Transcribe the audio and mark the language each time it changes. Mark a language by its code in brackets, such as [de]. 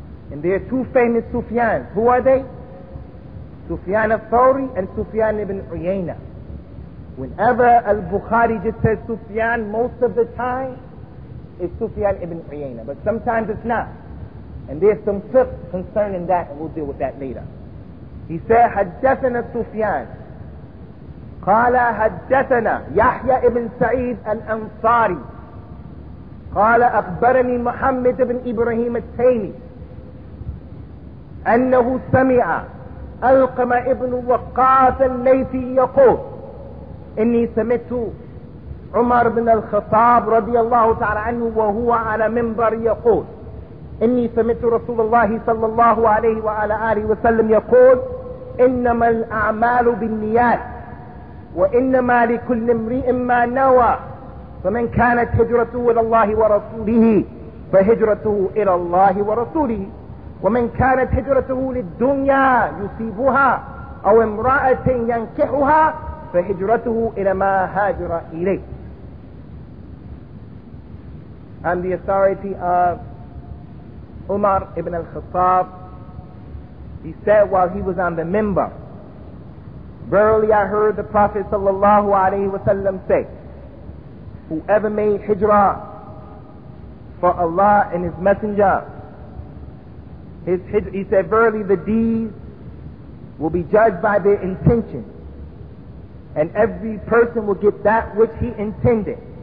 [en] And there are two famous Sufyans. Who are they? Sufyan al-Thawri and Sufyan ibn Uyayna. Whenever al-Bukhari just says Sufyan, most of the time it's Sufyan ibn Uyayna. But sometimes it's not. And there's some fiqh concerning that, and we'll deal with that later. He said, Haddathana Sufyan. [ar] قال حدثنا يحيى بن سعيد الأنصاري قال أخبرني محمد بن إبراهيم التيمي أنه سمع ألقم ابن وقاص الليثي يقول إني سمعت عمر بن الخطاب رضي الله تعالى عنه وهو على منبر يقول إني سمعت رسول الله صلى الله عليه وعلى آله وسلم يقول إنما الأعمال بالنيات وإنما لكل امرئ ما نوى فمن كانت هجرته إلى الله ورسوله فهجرته إلى الله ورسوله ومن كانت هجرته للدنيا يصيبها أو امرأة ينكحها فهجرته إلى ما هاجر إليه. [en] On the authority of Umar ibn al-Khattab, he said while he was on the minbar, verily I heard the Prophet sallallahu alayhi wa sallam say, whoever made hijrah for Allah and his messenger, he said, verily the deeds will be judged by their intention, and every person will get that which he intended.